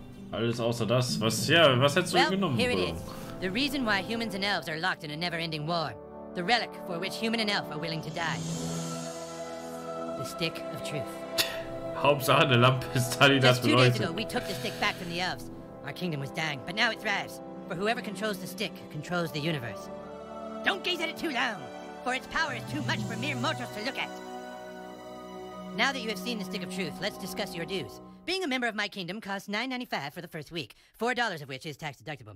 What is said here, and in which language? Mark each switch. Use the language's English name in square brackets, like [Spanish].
[German] Alles außer das. Was, ja, was hättest [English] well, [German] du genommen? [English] Here it is. The reason why humans and elves are locked in a never-ending war. The relic for which human and elf are willing to die. The Stick of Truth. [German] Hauptsache eine Lampe ist da, die das bedeutet. [English] Just 2 days ago, we took the stick back from the elves. Our kingdom was dying, but now it thrives. For whoever controls the stick controls the universe. Don't gaze at it too long, for its power is too much for mere mortals to look at. Now that you have seen the Stick of Truth, let's discuss your dues. Being a member of my kingdom costs $9.95 for the first week, $4 of which is tax deductible.